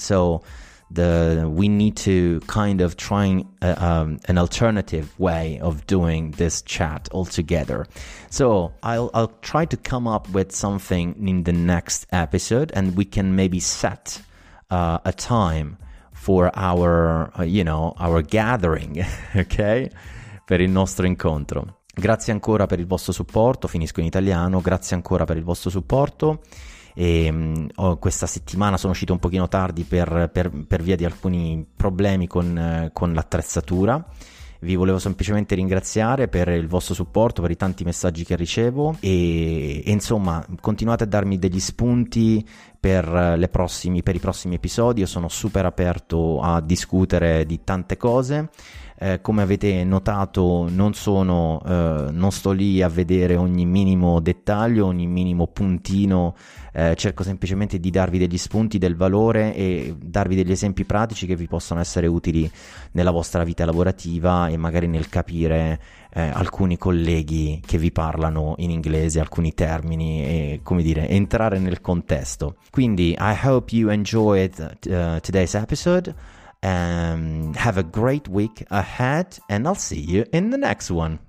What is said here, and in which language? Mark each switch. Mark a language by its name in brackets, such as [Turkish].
[English] So we need to kind of try an alternative way of doing this chat altogether. So I'll try to come up with something in the next episode, and we can maybe set a time for our, you know, our gathering, ok? [Italian] Per il nostro incontro. Grazie ancora per il vostro supporto, finisco in italiano, grazie ancora per il vostro supporto. E questa settimana sono uscito un pochino tardi per via di alcuni problemi con l'attrezzatura. Vi volevo semplicemente ringraziare per il vostro supporto, per i tanti messaggi che ricevo e insomma continuate a darmi degli spunti per i prossimi episodi. Io sono super aperto a discutere di tante cose. Come avete notato, non sto lì a vedere ogni minimo dettaglio, ogni minimo puntino. Cerco semplicemente di darvi degli spunti, del valore e darvi degli esempi pratici che vi possono essere utili nella vostra vita lavorativa e magari nel capire alcuni colleghi che vi parlano in inglese, alcuni termini e, come dire, entrare nel contesto. [English] Quindi, I hope you enjoyed today's episode. Have a great week ahead, and I'll see you in the next one.